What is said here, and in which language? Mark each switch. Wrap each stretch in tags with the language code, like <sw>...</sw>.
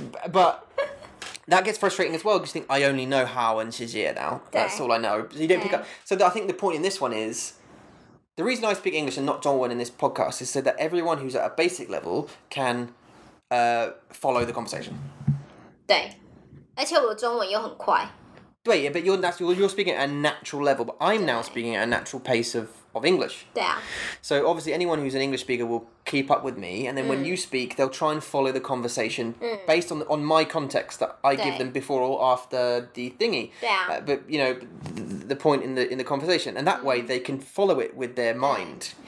<en>But that gets frustrating as well, because you think, I only know how and shijie now. That's all I know. So you don't pick up. So I think the point in this one is, the reason I speak English and not Zhongwen in this podcast is so that everyone who's at a basic level can follow the conversation.</en> <zh>对，而且我中文又很快。对，</zh> <en>yeah, but you're speaking at a natural level, but I'm now speaking at a natural pace of English.</en> <zh>对啊。</zh> <en>So obviously anyone who's an English speaker will keep up with me, and then when you speak, they'll try and follow the conversation based on my context that I give them before or after the thingy. But you know, the point in the conversation, and that way they can follow it with their mind.</en>